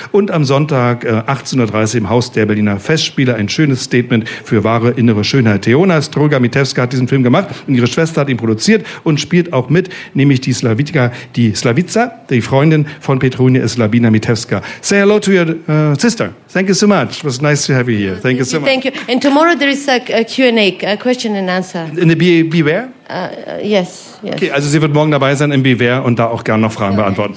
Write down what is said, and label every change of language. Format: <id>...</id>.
<de>Und am Sonntag 18.30 Uhr im Haus der Berliner Festspiele. Ein schönes Statement für wahre innere Schönheit. Theona Stroga-Mitewska hat diesen Film gemacht. Und ihre Schwester hat ihn produziert und spielt auch mit. Nämlich die Slavitka, die Slavica, die Freundin von Petrunia ist Slavina Mitewska.</de> <en>Say hello to your sister. Thank you so much. It was nice to have you here. Thank you so much. Thank you. And tomorrow there is a Q&A, a question and answer. In the Beware? Yes.</en> <de>Okay, also sie wird morgen dabei sein im Beware und da auch gerne noch Fragen beantworten.</de>